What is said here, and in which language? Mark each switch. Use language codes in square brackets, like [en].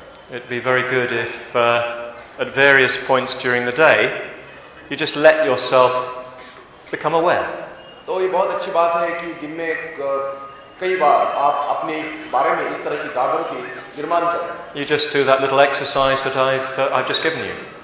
[en] It'd be very good if at various points during the day, you just let yourself become aware. [hi] तो ये बहुत अच्छी बात है कि दिन में कई बार आप अपने बारे में इस तरह की जागरूकता निर्माण करें. [en] You just do that little exercise that I've just given you.